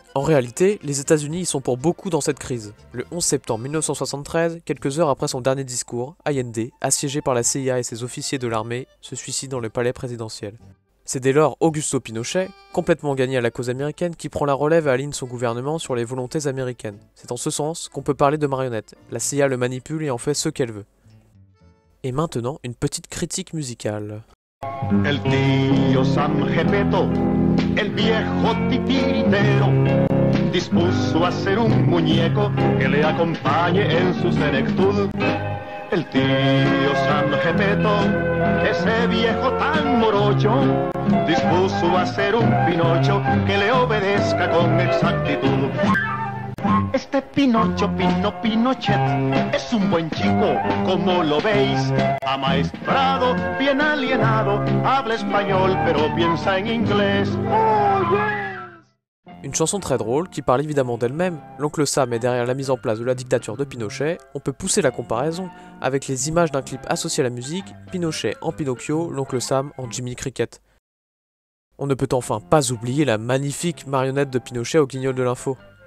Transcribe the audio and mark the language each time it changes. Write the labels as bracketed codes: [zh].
[fr] En réalité, les États-Unis y sont pour beaucoup dans cette crise. Le 11 septembre 1973, quelques heures après son dernier discours, Allende, assiégé par la CIA et ses officiers de l'armée, se suicide dans le palais présidentiel. C'est dès lors Augusto Pinochet, complètement gagné à la cause américaine, qui prend la relève et aligne son gouvernement sur les volontés américaines. C'est en ce sens qu'on peut parler de marionnette. La CIA le manipule et en fait ce qu'elle veut. Et maintenant, une petite critique musicale. [es] El tío San Gepetto, el viejo titiritero, dispuso a ser un muñeco que le acompañe en su senectud. El tío San Gepetto, ese viejo tan morocho, dispuso a ser un pinocho que le obedezca con exactitud. Este pinocho, pino Pinochet, es un buen chico, como lo veis. Amaestrado, bien alienado, habla español, pero piensa en inglés. [en] Oh, yeah. [fr] Une chanson très drôle, qui parle évidemment d'elle-même, l'oncle Sam est derrière la mise en place de la dictature de Pinochet, on peut pousser la comparaison, avec les images d'un clip associé à la musique, Pinochet en Pinocchio, l'oncle Sam en Jimmy Cricket. On ne peut enfin pas oublier la magnifique marionnette de Pinochet au guignol de l'info.